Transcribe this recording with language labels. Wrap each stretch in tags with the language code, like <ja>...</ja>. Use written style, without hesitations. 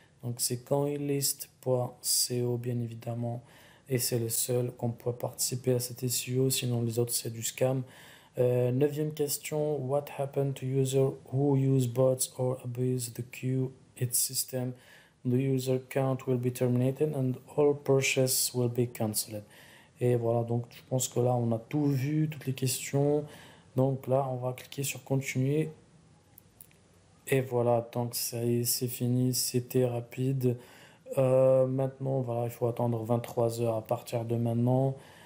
<fr>Donc c'est coinlist.co bien évidemment, et c'est le seul qu'on peut participer à cet SEO, sinon les autres c'est du scam. Neuvième question,</fr> <en>what happened to user who use bots or abuse the queue its system? The user count will be terminated and all purchases will be cancelled.</en> <fr>Et voilà, donc je pense que là on a tout vu, toutes les questions. Donc là, on va cliquer sur continuer. Et voilà, tant que ça y est, c'est fini, c'était rapide. Maintenant, voilà, il faut attendre 23 heures à partir de maintenant.</fr>